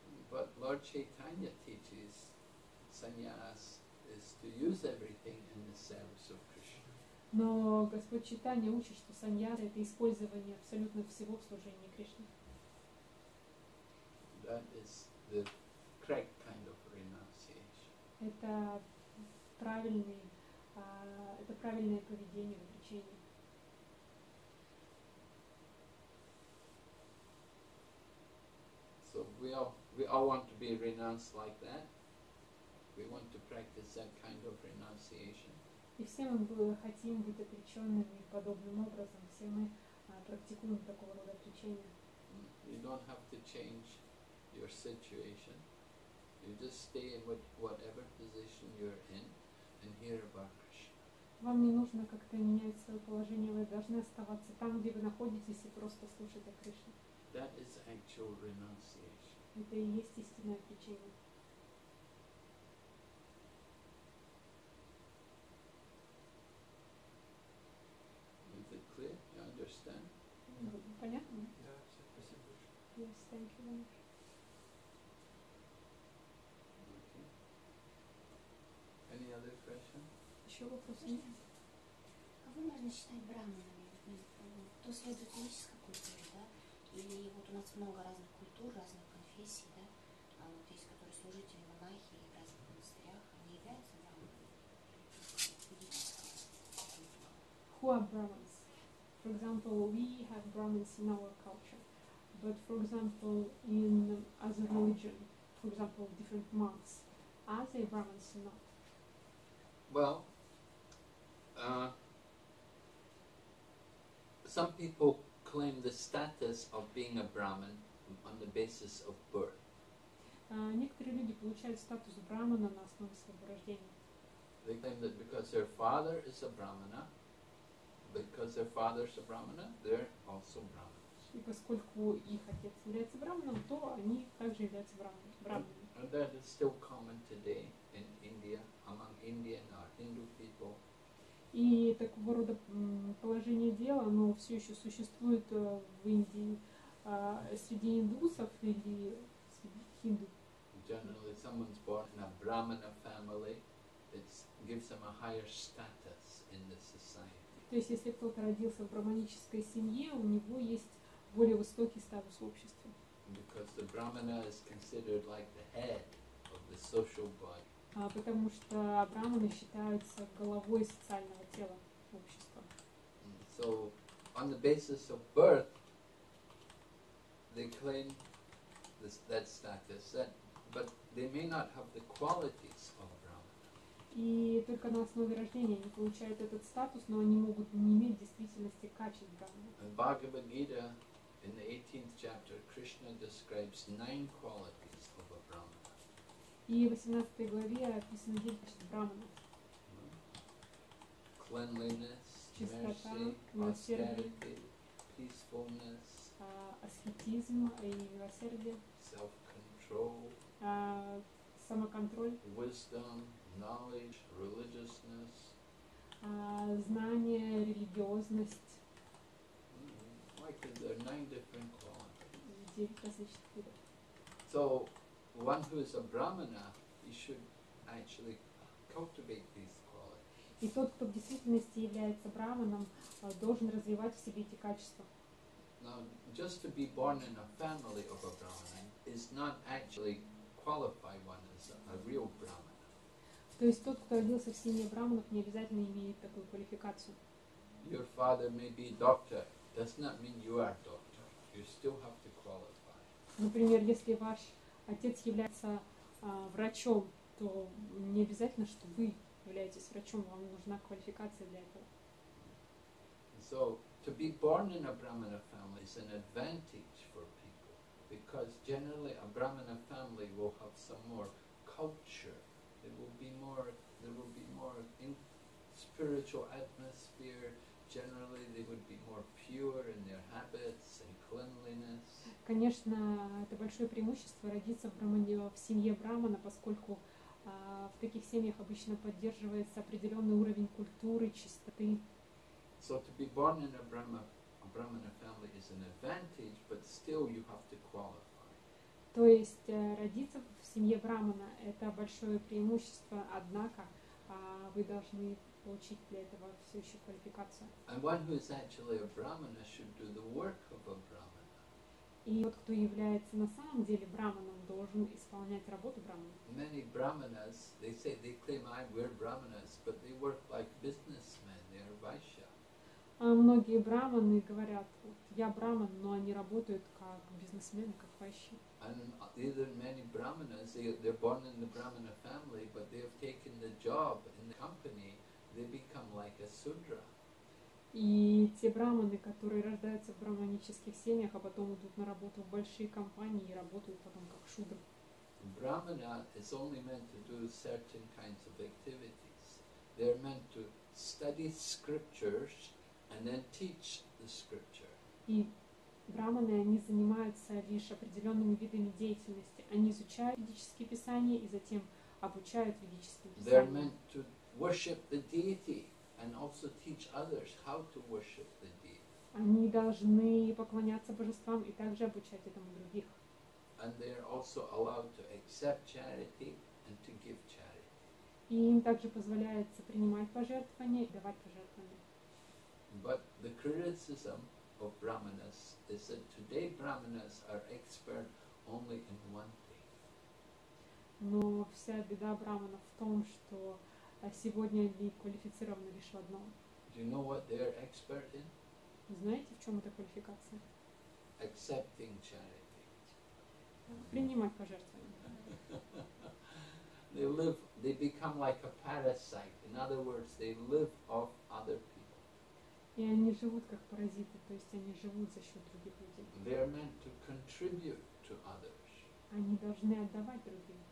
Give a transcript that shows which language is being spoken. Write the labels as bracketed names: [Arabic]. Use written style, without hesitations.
[English] But Lord Chaitanya teaches sannyas is to use everything in the service of Krishna. [Russian] Но Господь Чайтанья учит, что саньяс это использование абсолютно всего в служении Кришне. [English] That is the correct kind of renunciation. [Russian] Это правильное поведение в отречении. [English] So we all want to be renounced like that. We want to practice that kind of renunciation. [Russian] И все мы хотим быть отреченными подобным образом. Все мы практикуем такого рода отречение. [English] You don't have to change your situation. You just stay in whatever position you're in and hear about Krishna. [Russian] Вам не нужно как-то менять свое положение, вы должны оставаться там, где вы находитесь, и просто слушать о Кришне. [English] That is actual renunciation. [Russian] Это и есть истинное отречение. [English] Is it clear? You understand? [Russian] Понятно? Да, спасибо большое. [English] Yes, thank you very much. Any other question? [Russian] Еще вопросы нет? Кого можно считать браманами? Кто следует ведической культуре, да? Или вот у нас много разных культур, разных конфессий, да? А вот есть, которые служители, монахи в разных монастырях, они являются браманами? [English] Who are brahmins? For example, we have brahmins in our culture. But, for example, in as a religion, for example, different monks? Are they Brahmins or not? Well, some people claim the status of being a Brahmin on the basis of birth. [Russian] Некоторые люди получают статус брахмана на основе своего рождения. [English] They claim that because their father is a brahmana, because their father is a brahmana, they're also brahmins. [Russian] И поскольку их отец является брахманом, то они также являются брахманами. [English] And that is still common today in India among Indian or Hindu people. [Russian] И такого рода положение дел, оно все еще существует в Индии среди индусов или среди хинду. [English] Generally, someone's born in a brahmana family, it gives them a higher status in the society. [Russian] То есть, если кто-то родился в брахманической семье, у него есть более высокий статус в обществе. [English] Because the brahmana is considered like the head of the social body. [Russian] Потому что брахманы считаются головой социального тела общества. [English] So, on the basis of birth, they claim this, that status. That, but they may not have the qualities of a brahmana. [Russian] И только на основе рождения они получают этот статус, но они могут не иметь в действительности качеств брахмана. [English] In Bhagavad Gita, in the 18th chapter, Krishna describes 9 qualities of a brahmana. [Russian] И в 18 главе описано 9 качеств брахмана. [English] Cleanliness, [Russian] чистота, [English] austerity, peacefulness, [Russian] аскетизм и милосердие, [English] self-control, [Russian] самоконтроль, [English] wisdom, knowledge, religiousness, [Russian] знание, религиозность. [English] Like there are 9 different qualities. [Russian] 9 различных видов. [English] So, one who is a brahmana, he should actually cultivate these qualities. [Russian] И тот, кто в действительности является брахманом, должен развивать в себе эти качества. [English] Now, just to be born in a family of a brahmana is not actually qualify one as a real brahmana. [Russian] То есть тот, кто родился в семье брахманов, не обязательно имеет такую квалификацию. [English] Your father may be a doctor, does not mean you are a doctor. You still have to qualify. [Russian] Например, если ваш отец является врачом, то не обязательно, что вы являетесь врачом, вам нужна квалификация для этого. [English] So, to be born in a brahmana family is an advantage for people, because generally a brahmana family will have some more culture, there will be more spiritual atmosphere. Generally, they would be more pure in their habits and cleanliness. [Russian] Конечно, это большое преимущество родиться в семье брахмана, поскольку в таких семьях обычно поддерживается определенный уровень культуры, чистоты. [English] So to be born in a brahmana family is an advantage, but still you have to qualify. [Russian] То есть родиться в семье брахмана это большое преимущество, однако вы должны получить для этого все еще квалификацию. [English] And one who is actually a brahmana should do the work of a brahmana. [Russian] И тот, кто является на самом деле брахманом, должен исполнять работу брахмана. [English] Many brahmanas, they say, they claim I wear brahmanas, but they work like businessmen, they are vaishya. [Russian] Многие брахманы говорят, вот, я брахман, но они работают как бизнесмены, как вайши. [English] And either many brahmanas, they're born in the brahmana family, but they have taken the job in the company, they become like a sudra. [Russian] И те брахманы, которые рождаются в брахманических семьях, а потом идут на работу в большие компании и работают потом как шудры. [English] Brahmana is only meant to do certain kinds of activities. They're meant to study scriptures and then teach the scripture. [Russian] И брахманы, они занимаются лишь определенными видами деятельности. Они изучают ведические писания и затем обучают ведическим писаниям. [English] They're meant to worship the deity and also teach others how to worship the deity. [Russian] Они должны поклоняться божествам и также обучать этому других. [English] And they're also allowed to accept charity and to give charity. [Russian] И им также позволяется принимать пожертвования и давать пожертвования. [English] But the criticism of brahmanas is that today brahmanas are expert only in one thing. [Russian] Но вся беда брахманов в том, что сегодня они квалифицированы лишь в одном. [English] Do you know what they're expert in? [Russian] Знаете, в чем эта квалификация? [English] Accepting charity. [Russian] принимать пожертвования. [English] They live, they become like a parasite. In other words, they live off other people. [Russian] И они живут как паразиты, то есть они живут за счет других людей. [English] They are meant to contribute to others. [Russian] Они должны отдавать другим.